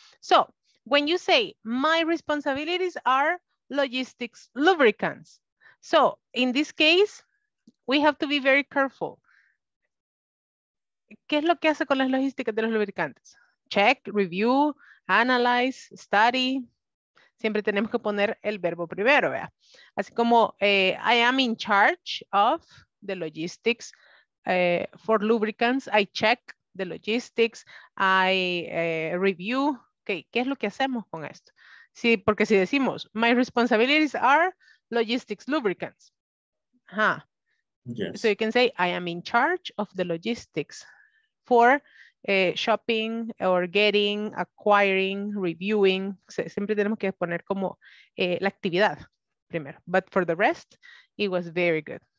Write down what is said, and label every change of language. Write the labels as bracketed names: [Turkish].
[English] So when you say my responsibilities are logistics lubricants. So in this case, we have to be very careful. [Spanish] ¿Qué es lo que hace con las logísticas de los lubricantes? [English] Check, review, analyze, study. [Spanish] Siempre tenemos que poner el verbo primero, ¿vea? Así como [English] I am in charge of the logistics for lubricants. I check the logistics. I review. [Spanish] Okay, ¿qué es lo que hacemos con esto? Sí, porque si decimos [English] my responsibilities are logistics lubricants. Huh. Yes. So you can say I am in charge of the logistics for shopping or getting, acquiring, reviewing. [Spanish] Siempre tenemos que poner como la actividad primero. [English] But for the rest, it was very good.